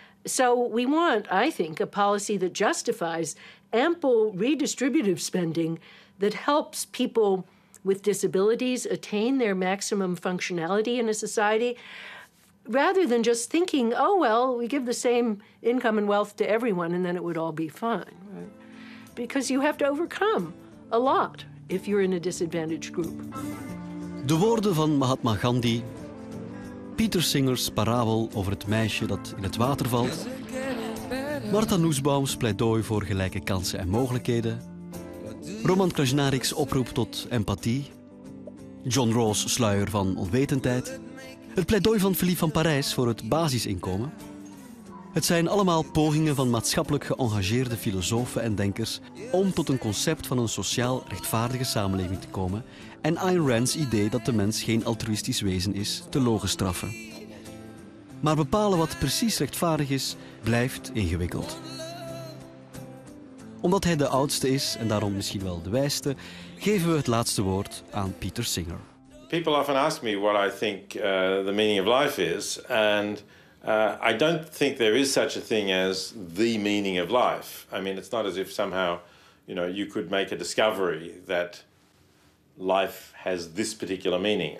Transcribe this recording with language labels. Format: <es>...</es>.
<en>So we want, I think, a policy that justifies ample redistributive spending that helps people with disabilities attain their maximum functionality in a society, rather than just thinking, oh, well, we give the same income and wealth to everyone and then it would all be fine. Because you have to overcome a lot if you're in a disadvantaged group.</en> <nl>De woorden van Mahatma Gandhi, Peter Singer's parabel over het meisje dat in het water valt, Marta Nussbaum's pleidooi voor gelijke kansen en mogelijkheden, Roman Krasnariks oproep tot empathie, John Rawls' sluier van onwetendheid, het pleidooi van Philippe van Parijs voor het basisinkomen. Het zijn allemaal pogingen van maatschappelijk geëngageerde filosofen en denkers om tot een concept van een sociaal rechtvaardige samenleving te komen en Ayn Rand's idee dat de mens geen altruïstisch wezen is te logenstraffen. Maar bepalen wat precies rechtvaardig is, blijft ingewikkeld. Omdat hij de oudste is en daarom misschien wel de wijste, geven we het laatste woord aan Peter Singer.</nl> <en>People often ask me what I think the meaning of life is, and I don't think there is such a thing as the meaning of life. I mean, it's not as if somehow, you know, you could make a discovery that life has this particular meaning.</en>